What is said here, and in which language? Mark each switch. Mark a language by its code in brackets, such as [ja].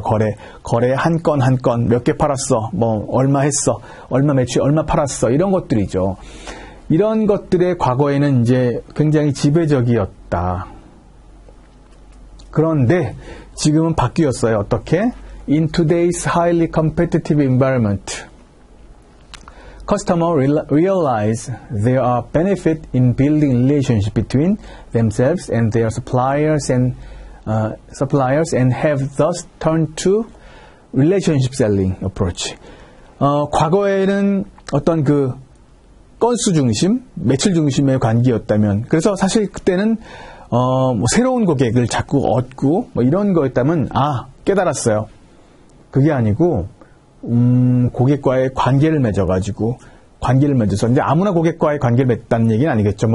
[ko] 거래 한 건 한 건 몇 개 팔았어. 뭐 얼마 했어. 얼마 매출 얼마 팔았어. 이런 것들이죠. 이런 것들의 과거에는 이제 굉장히 지배적이었다. 그런데 지금은 바뀌었어요. 어떻게? [en] In today's highly competitive environment, customers realize there are benefits in building relationships between themselves and their suppliers and have thus turned to relationship selling approach. [ko] 과거에는 어떤 그 건수 중심, 매출 중심의 관계였다면, 그래서 사실 그때는 뭐 새로운 고객을 자꾸 얻고 뭐 이런 거였다면 아 깨달았어요. 그게 아니고 고객과의 관계를 맺어가지고 관계를 맺어서 이제 아무나 고객과의 관계를 맺다는 얘기는 아니겠죠.